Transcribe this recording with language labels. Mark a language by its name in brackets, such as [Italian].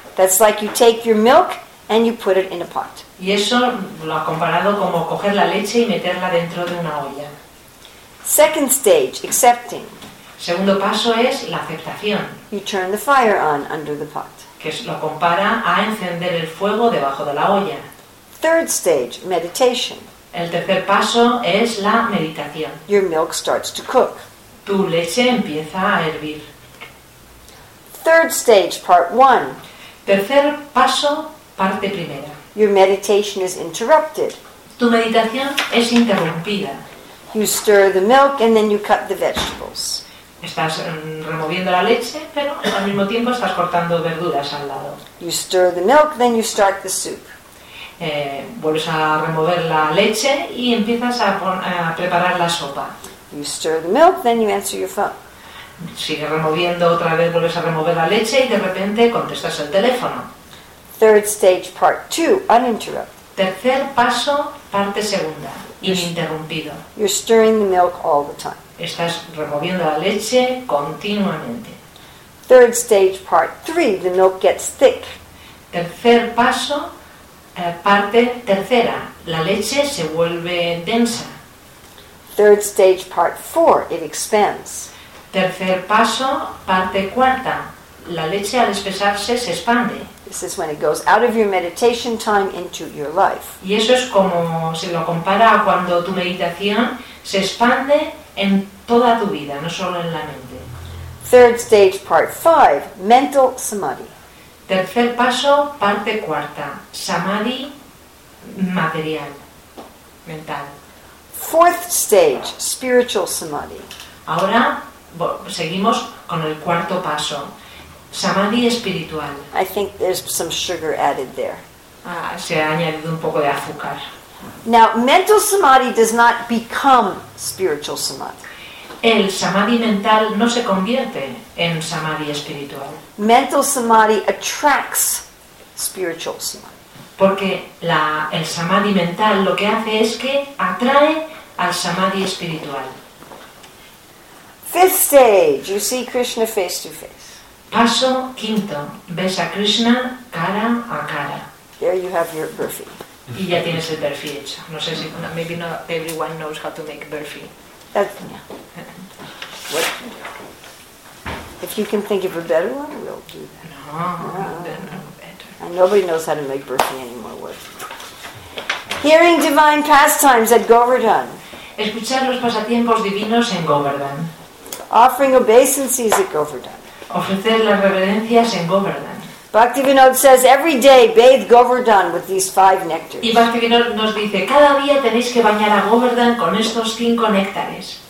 [English] That's like you take your milk and you put it in a pot. [Spanish] Y eso lo ha comparado como coger la leche y meterla dentro de una olla. [English] Second stage, accepting. [Spanish] Segundo paso es la aceptación. [English] You turn the fire on under the pot. [Spanish] Que lo compara a encender el fuego debajo de la olla. [English] Third stage, meditation. [Spanish] El tercer paso es la meditación. [English] Your milk starts to cook. [Spanish] Tu leche empieza a hervir. [English] Third stage, part one. [Spanish] Tercer paso, parte primera. [English] Your meditation is interrupted. [Spanish] Tu meditación es interrumpida. [English] You stir the milk and then you cut the vegetables. [Spanish] Estás removiendo la leche, pero al mismo tiempo estás cortando verduras al lado. [English] You stir the milk, then you start the soup. [Spanish] Vuelves a remover la leche y empiezas a preparar la sopa. [English] You stir the milk, then you answer your phone. [Spanish] Sigue removiendo otra vez, vuelves a remover la leche y de repente contestas el teléfono. [English] Third stage, part two, uninterrupted. [Spanish] Tercer paso, parte segunda, ininterrumpido. [English] You're stirring the milk all the time. [Spanish] Estás removiendo la leche continuamente. [English] Third stage, part three, the milk gets thick. [Spanish] Tercer paso, parte tercera, la leche se vuelve densa. [English] Third stage, part four, it expands. [Spanish] Tercer paso, parte cuarta, la leche al espesarse se expande. [English] This is when it goes out of your meditation time into your life. [Spanish] Y eso es como se lo compara a cuando tu meditación se expande en toda tu vida, no solo en la mente. [English] Third stage, part five, mental samadhi. [Spanish] Tercer paso, parte cuarta, samadhi material, mental. [English] Fourth stage, spiritual samadhi. [Spanish] Ahora seguimos con el cuarto paso, samadhi espiritual. [English] I think there's some sugar added there. [Spanish] Se ha añadido un poco de azúcar. [English] Now, mental samadhi does not become spiritual samadhi. [Spanish] El samadhi mental no se convierte en samadhi espiritual. [English] Mental samadhi attracts spiritual samadhi. [Spanish] Porque el samadhi mental lo que hace es que atrae al samadhi espiritual. [English] Fifth stage, you see Krishna face to face. [Spanish] Paso quinto, ves a Krishna cara a cara. [English] There you have your burfi. [Spanish] Y ya tienes el burfi hecho. No sé si, [English] maybe not everyone knows how to make burfi. That's, yeah. What? If you can think of a better one, we'll do that. No, better. And nobody knows how to make burfi anymore. What? Hearing divine pastimes at Govardhan. [Spanish] Escuchar los pasatiempos divinos en Govardhan. [English] Offering obeisances at Govardhan. [Spanish] Ofrecer las reverencias en Govardhan. [English] Bhaktivinoda says, every day bathe Govardhan with these five nectars. [Spanish] Y Bhaktivinoda nos dice, cada día tenéis que bañar a Govardhan con estos cinco néctares.